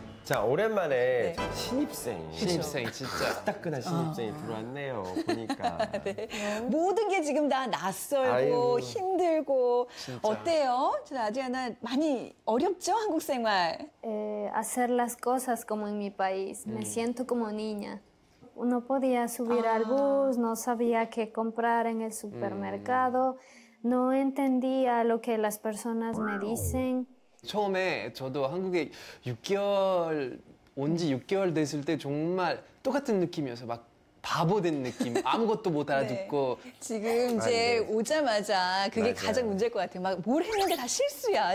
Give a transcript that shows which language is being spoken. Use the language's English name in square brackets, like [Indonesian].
[Korean] 자, 오랜만에 네. 신입생. 신입생, 진짜. 따끈한 신입생이 들어왔네요, 보니까. 네. 모든 게 지금 다 낯설고, 아이고, 힘들고. 진짜. 어때요? 아드리아나, 많이 어렵죠, 한국 생활? [Spanish] Hacer las cosas como en mi país. Me siento como niña. No podía subir al bus, no sabía qué comprar en el supermercado. No entendía lo que las personas me dicen. [Korean] 처음에 저도 한국에 6개월 온 지 6개월 됐을 때 정말 똑같은 느낌이어서 막 바보 된 느낌. 아무것도 못 알아듣고. 네. 지금 이제 아, 네. 오자마자 그게 맞아요. 가장 문제일 것 같아요. 막 뭘 했는데 다 실수야.